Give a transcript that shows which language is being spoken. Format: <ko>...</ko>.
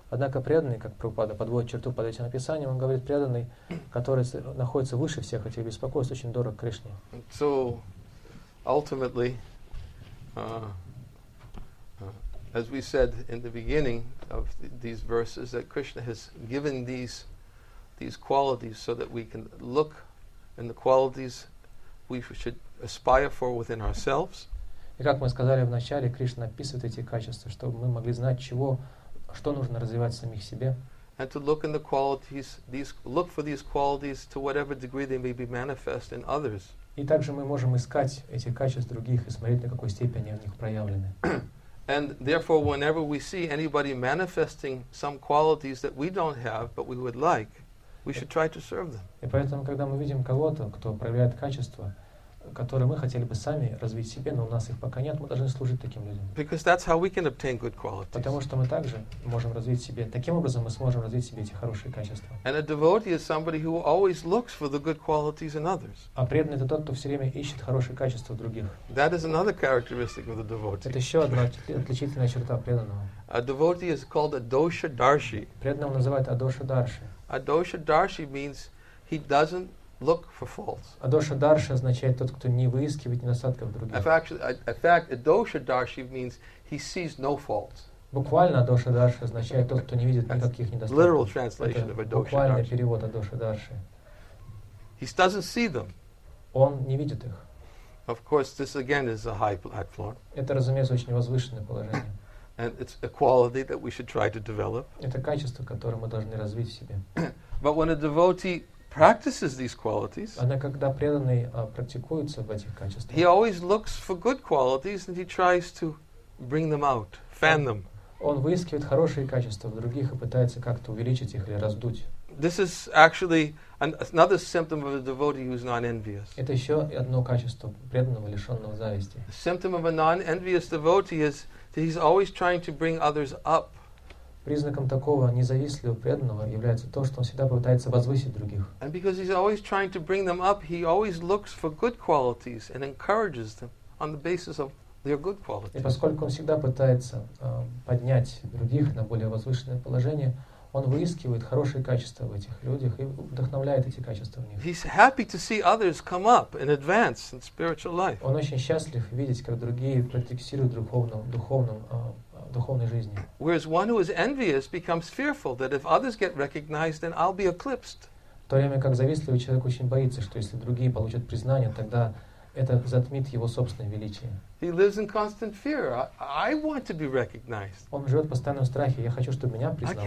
<ru>Однако преданный, как Прабхупада подводит черту под этим описанием, он говорит, преданный, который находится выше всех этих беспокойств, очень дорог Кришне.</ru> <en>So, ultimately, as we said in the beginning of these verses, that Krishna has given these qualities so that we can look in the qualities we should aspire for within ourselves.</en> <ru>И как мы сказали в начале, Кришна описывает эти качества, чтобы мы могли знать, чего что нужно развивать в самих себе.</ru> <en>And to look in the qualities, look for these qualities to whatever degree they may be manifest in others.</en> <ru>И также мы можем искать эти качества других и смотреть, на какой степени они в них проявлены.</ru> <en>And therefore, whenever we see anybody manifesting some qualities that we don't have, but we would like, we should try to serve them.</en> <ru>И поэтому, когда мы видим кого-то, кто проявляет качества, которые мы хотели бы сами развить в себе, но у нас их пока нет, мы должны служить таким людям.</ru> <en>Because that's how we can obtain good qualities.</en> <ru>Потому что мы также можем развить в себе, таким образом мы сможем развить в себе эти хорошие качества.</ru> <en>And a devotee is somebody who always looks for the good qualities in others.</en> <ru>А преданный — это тот, кто все время ищет хорошие качества в других.</ru> <en>That is another characteristic of the devotee.</en> <ru>Это еще одна отличительная черта преданного.</ru> <en>A devotee is called adosha-darshi.</en> <ru>Преданного называют adosha-darshi.</ru> <en>Adosha-darshi means he doesn't look for faults.</en> <ru>Адоша дарши означает тот, кто не выискивает недостатков в других.</ru> <en>In fact, адоша дарши means he sees no faults.</en> <ru>Буквально адоша дарши означает тот, кто не видит никаких недостатков.</ru> <en>Literal translation of адоша дарши.</en> <ru>Буквальный перевод адоша дарши.</ru> <en>He doesn't see them.</en> <ru>Он не видит их.</ru> <en>Of course, this again is a high platform.</en> <ru>Это, разумеется, очень возвышенное положение.</ru> <en>And it's a quality that we should try to develop.</en> <ru>Это качество, которое мы должны развить в себе.</ru> <en>But when a devotee practices these qualities.</en> <ru>Однако, когда преданный практикуется в этих качествах.</ru> <en>He always looks for good qualities and he tries to bring them out, fan them.</en> <ru>Он выискивает хорошие качества в других и пытается как-то увеличить их или раздуть.</ru> <en>This is actually another symptom of a devotee who is non-envious.</en> <ru>Это еще одно качество преданного, лишенного зависти.</ru> <en>The symptom of a non-envious devotee is that he's always trying to bring others up.</en> <ru>Признаком такого независтливого преданного является то, что он всегда пытается возвысить других.</ru> <en>And because he's always trying to bring them up, he always looks for good qualities and encourages them on the basis of their good qualities.</en> <ru>И поскольку он всегда пытается поднять других на более возвышенное положение, он выискивает хорошие качества в этих людях и вдохновляет эти качества в них.</ru> <en>He's happy to see others come up and advance in spiritual life.</en> <ru>Он очень счастлив видеть, как другие прогрессируют в духовном духовной жизни.</ru> <en>Whereas one who is envious becomes fearful that if others get recognized, then I'll be eclipsed.</en> <ru>В то время как завистливый человек очень боится, что если другие получат признание, тогда это затмит его собственное величие.</ru> <en>He lives in constant fear. I want to be recognized.</en> <ru>Он живет в постоянном страхе. Я хочу, чтобы меня признавали.</ru>